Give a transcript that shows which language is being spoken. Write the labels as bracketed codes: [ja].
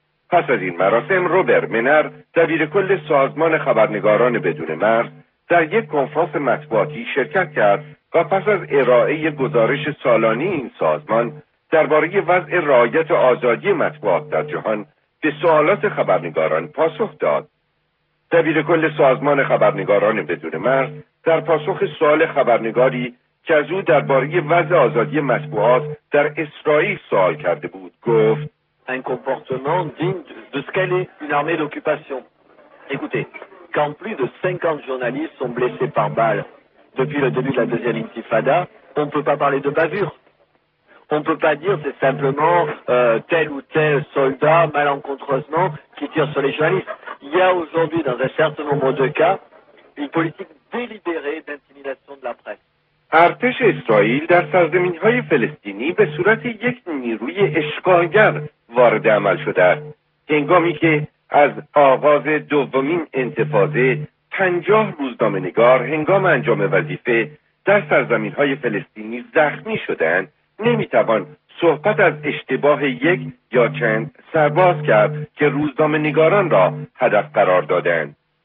[fa] پس از این مراسم روبر منر دبیر کل سازمان خبرنگاران بدون مرز در یک کنفرانس مطبوعاتی شرکت کرد و پس از ارائه گزارش سالانه این سازمان درباره وضع رعایت آزادی مطبوعات در جهان به سوالات خبرنگاران پاسخ داد. دبیر کل سازمان خبرنگاران بدون مرز در پاسخ سوال خبرنگاری که از او درباره وضع آزادی مطبوعات در اسرائیل سوال کرده بود گفت: [fr] un comportement digne de ce qu'elle est une armée d'occupation. Écoutez, quand plus de 50 journalistes sont blessés par balles depuis le début de la deuxième intifada, on ne peut pas parler de bavure. On ne peut pas dire c'est simplement tel ou tel soldat malencontreusement qui tire sur les journalistes. Il y a aujourd'hui dans un certain nombre de cas une politique délibérée d'intimidation de la presse. [fa] ارتش اسرائیل در سرزمین‌های فلسطینی به صورت یک نیروی اشغالگر وارد عمل شده است. هنگامی که از آغاز دومین انتفاضه 50 روزنامه‌نگار هنگام انجام وظیفه در سرزمین‌های فلسطینی زخمی شدند، نمی‌توان صحبت از اشتباه یک یا چند سرباز کرد که روزنامه‌نگاران را هدف قرار دادند.